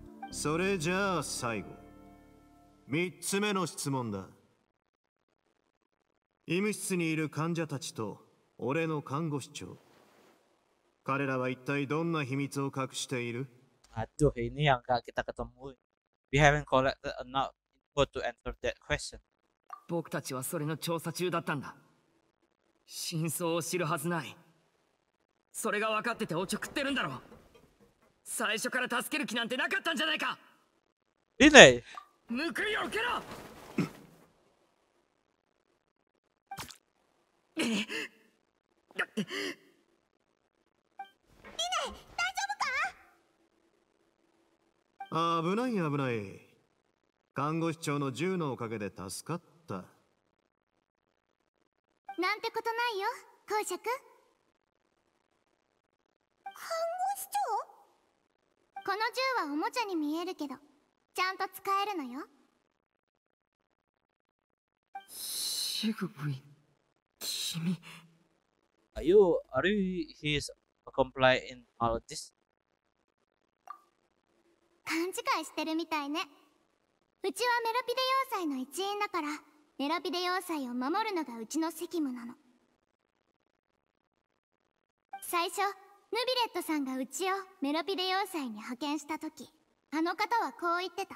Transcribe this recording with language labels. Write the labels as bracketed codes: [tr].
[ja] それじゃあ最後、三つ目の質問だ。医務室にいる患者たちと俺の看護師長、彼らは一体どんな秘密を隠している？ [id] Aduh, ini yang gak kita ketemui. [en] We haven't collected enough info to answer that question. [ja] 僕たちはそれの調査中だったんだ。真相を知るはずない。それが分かってておちょくってるんだろう。最初から助ける気なんてなかったんじゃないか。リネイ。報いを受けろ。リネイ、大丈夫か？危ない危ない。看護師長の銃のおかげで助かった。なんてことないよ、公爵。看護師長？この銃はおもちゃに見えるけど、ちゃんと使えるのよ。シグウィン、君。 [en] Are you his compliant in all of this? [ja] 勘違いしてるみたいね。うちはメロピデ要塞の一員だから、メロピデ要塞を守るのがうちの責務なの。最初ヌビレットさんがうちをメロピデ要塞に派遣した時、あの方はこう言ってた。